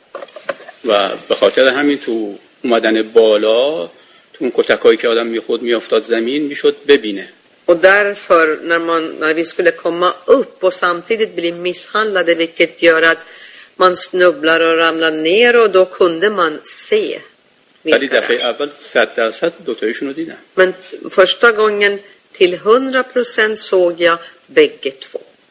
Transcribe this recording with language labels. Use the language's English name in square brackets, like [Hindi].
[Swedish] Och på grund av det här med att [Persian] bala اون کتکایی که آدم میخود میافتاد زمین میشد ببینه. [Swedish] و därför när man när vi skulle komma upp och samtidigt bli misshandlade vilket gör att man snubblar och ramlar ner och då kunde man se. [Persian] ولی دفعه اول 100% دو تایشون رو دیدم. [Swedish] Men första gången till 100% såg jag bägge två.